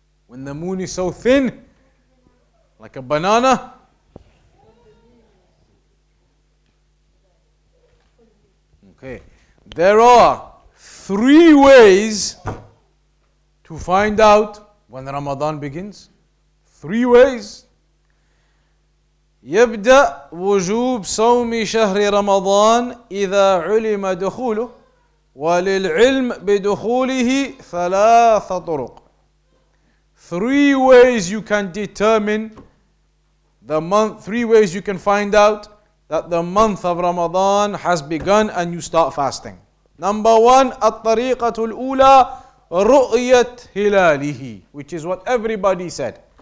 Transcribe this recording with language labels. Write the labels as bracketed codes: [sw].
[en] When the moon is so thin? Like a banana? Okay. There are three ways to find out when Ramadan begins. Three ways. [ar] يبدأ وجوب صوم شهر رمضان إذا علم دخوله وللعلم بدخوله ثلاثة طرق. [en] Three ways you can determine the month, three ways you can find out that the month of Ramadan has begun and you start fasting. Number one, [ar] الطريقة الأولى رؤية هلاله, [en] which is what everybody said.